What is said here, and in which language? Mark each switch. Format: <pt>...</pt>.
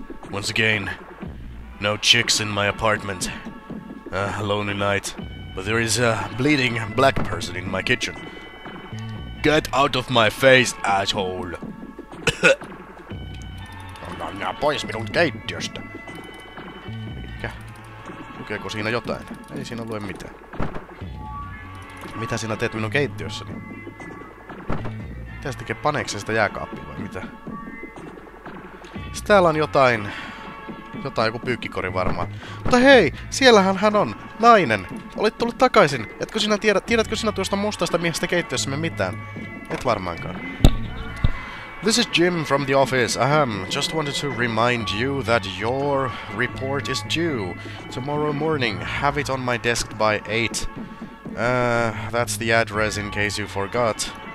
<en>Once again, no chicks in my apartment. A lonely night. But there is a bleeding black person in my kitchen. Get out of my face, asshole!</en> <fi>Anna nää pois minun keittiöstä! Mikä? Lukeeko siinä jotain? Ei siinä lue mitään. Mitä sinä teet minun keittiössäni? Mitä tekee? Paneeko se sitä jääkaappia vai mitä? Täällä on jotain... Jotain, joku pyykkikori varmaan. Mutta hei! Siellähän hän on! Nainen! Olet tullut takaisin! Etkö sinä tiedä... Tiedätkö sinä tuosta mustasta miehestä keittiössämme mitään? Et varmaankaan.</fi> <en>This is Jim from the office. Ahem, just wanted to remind you that your report is due tomorrow morning. Have it on my desk by 8. That's the address in case you forgot.</en>